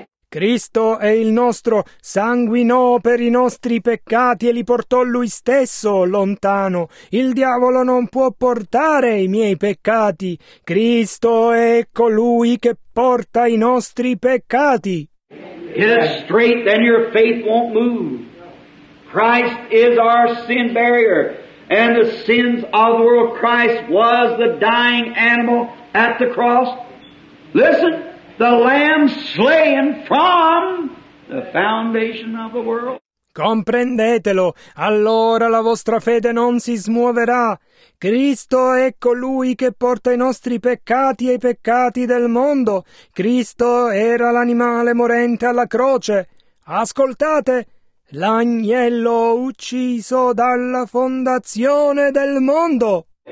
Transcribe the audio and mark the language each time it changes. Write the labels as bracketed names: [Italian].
[Italian] Cristo è il nostro, sanguinò per i nostri peccati e li portò lui stesso lontano. Il diavolo non può portare i miei peccati. Cristo è colui che porta i nostri peccati. [English] Get it straight, then your faith won't move. Christ is our sin barrier, and the sins of the world. Christ was the dying animal at the cross. Listen. The lamb slain from the foundation of the world. [Italian] Comprendetelo, allora la vostra fede non si smuoverà. Cristo è colui che porta i nostri peccati e i peccati del mondo. Cristo era l'animale morente alla croce. Ascoltate, l'agnello ucciso dalla fondazione del mondo.